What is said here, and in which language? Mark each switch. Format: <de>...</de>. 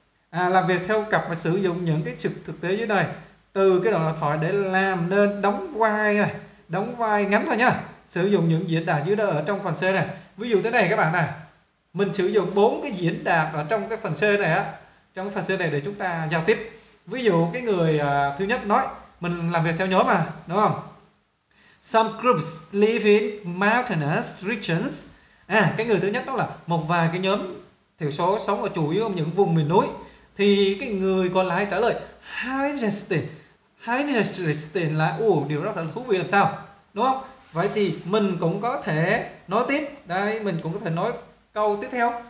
<vi>À, làm việc theo cặp và sử dụng những cái trực thực tế dưới đây từ cái đoạn đối thoại để làm nên đóng vai ngắn thôi nha. Sử dụng những diễn đạt dưới đây ở trong phần C này. Ví dụ thế này các bạn nè, mình sử dụng bốn cái diễn đạt ở trong cái phần C này á, trong phần C này để chúng ta giao tiếp. Ví dụ cái người thứ nhất nói mình làm việc theo nhóm mà đúng không?</vi> <en>Some groups live in mountainous regions.</en> <vi>À, cái người thứ nhất đó là một vài cái nhóm thiểu số sống ở chủ yếu ở những vùng miền núi. Thì cái người còn lại trả lời</vi> <en>How interesting</en> <vi>là điều đó thật là thú vị làm sao, đúng không? Vậy thì mình cũng có thể nói tiếp. Đây, mình cũng có thể nói câu tiếp theo.</vi>